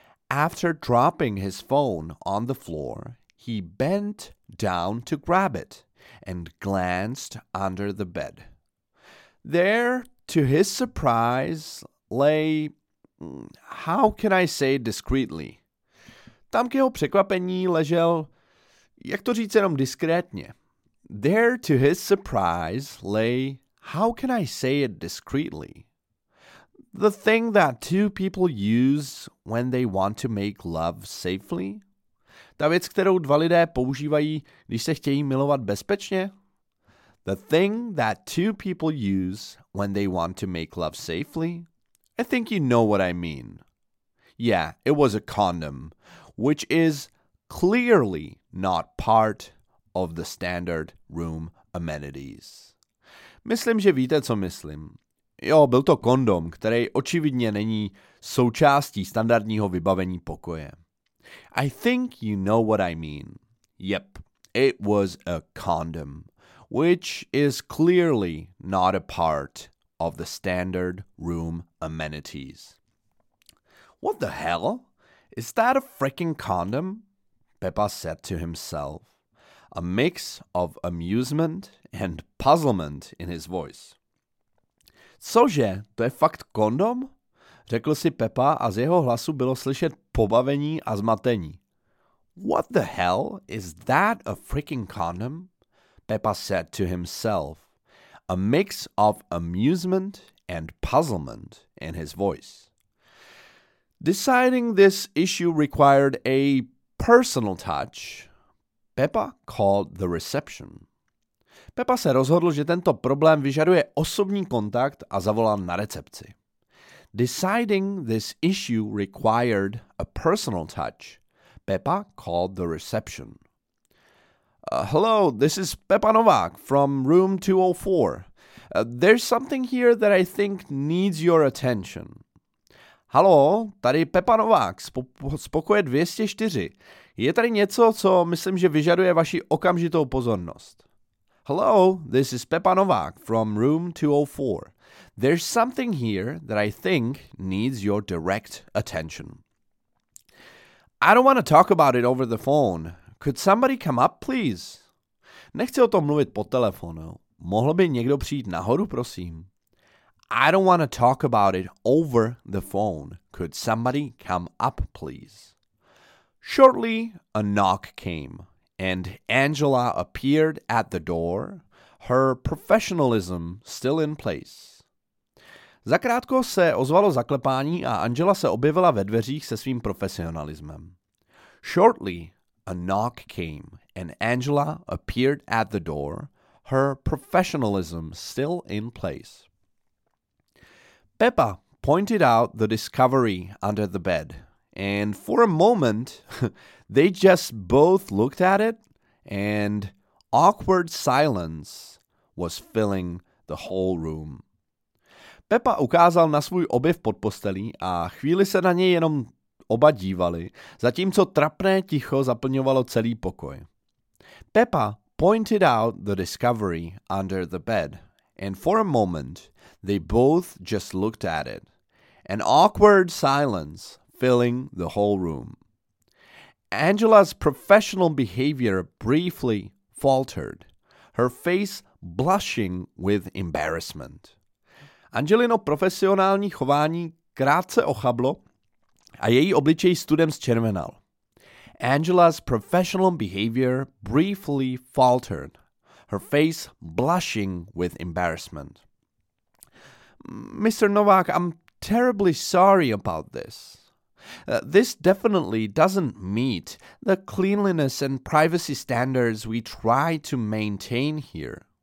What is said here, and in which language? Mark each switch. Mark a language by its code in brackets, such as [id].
[en] After dropping his phone on the floor, he bent down to grab it and glanced under the bed. There, to his surprise, lay, how can I say discreetly? [cs] Tam k jeho překvapení ležel, jak to říct jenom diskrétně. [en] There, to his surprise, lay, how can I say it discreetly? The thing that two people use when they want to make love safely? [cs] Ta věc, kterou dva lidé používají, když se chtějí milovat bezpečně? [en] The thing that two people use when they want to make love safely? I think you know what I mean. Yeah, it was a condom, which is clearly not part of the standard room amenities. [cs] Myslím, že víte, co myslím. Jo, byl to kondom, který očividně není součástí standardního vybavení pokoje. [en] I think you know what I mean. Yep, it was a condom, which is clearly not a part of the standard room amenities. What the hell? Is that a freaking condom? Pepa said to himself, a mix of amusement and puzzlement in his voice. [cs] Cože, to je fakt kondom? Řekl si Pepa a z jeho hlasu bylo slyšet pobavení a zmatení. [en] What the hell? Is that a freaking condom? Pepa said to himself, a mix of amusement and puzzlement in his voice. Deciding this issue required a personal touch, Pepa called the reception. [cs] Pepa se rozhodl, že tento problém vyžaduje osobní kontakt a zavolal na recepci. [en] Deciding this issue required a personal touch, Pepa called the reception. Hello, this is Pepa Novák from room 204. There's something here that I think needs your attention. [cs] Halo, tady Pepa Novák z pokoje 204. Je tady něco, co myslím, že vyžaduje vaši okamžitou pozornost. [en] Hello, this is Pepa Novák from room 204. There's something here that I think needs your direct attention. I don't want to talk about it over the phone. Could somebody come up, please? [cs] Nechci o tom mluvit po telefonu. Mohl by někdo přijít nahoru, prosím? [en] I don't want to talk about it over the phone. Could somebody come up, please? Shortly, a knock came, and Angela appeared at the door, her professionalism still in place. [cs] Zakrátko se ozvalo zaklepání a Angela se objevila ve dveřích se svým profesionalismem. [en] Shortly, a knock came and Angela appeared at the door, her professionalism still in place. Pepa pointed out the discovery under the bed, and for a moment, they just both looked at it, and awkward silence was filling the whole room. [cs] Pepa ukázal na svůj objev pod postelí a chvíli se na něj jenom oba dívali, zatímco trapné ticho zaplňovalo celý pokoj. [en] Pepa pointed out the discovery under the bed, and for a moment, they both just looked at it, an awkward silence filling the whole room. Angela's professional behavior briefly faltered, her face blushing with embarrassment. [cs] Angelino profesionální chování krátce ochablo a její obličej studem zčervenal. [en] Angela's professional behavior briefly faltered, her face blushing with embarrassment. Mr. Novák, I'm terribly sorry about this. This definitely doesn't meet the cleanliness and privacy standards we try to maintain here.